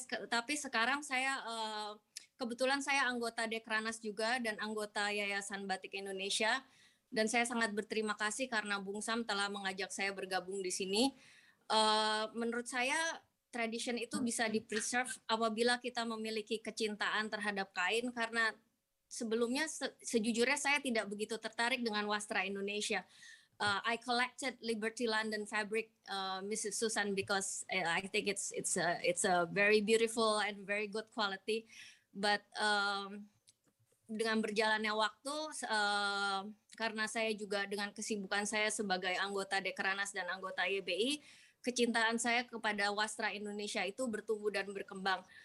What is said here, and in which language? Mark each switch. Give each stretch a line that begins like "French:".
Indonesian: Tapi sekarang saya kebetulan saya anggota Dekranas juga dan anggota Yayasan Batik Indonesia, dan saya sangat berterima kasih karena Bung Sam telah mengajak saya bergabung di sini. Menurut saya tradition itu bisa dipreserve apabila kita memiliki kecintaan terhadap kain, karena sebelumnya sejujurnya saya tidak begitu tertarik dengan wastra Indonesia.
English: I collected Liberty London fabric, Mrs. Susan, because I think it's a very beautiful and very good quality.
Indonesian: But dengan berjalannya waktu, karena saya juga dengan kesibukan saya sebagai anggota Dekranas dan anggota YBI, kecintaan saya kepada wastra Indonesia itu bertumbuh dan berkembang.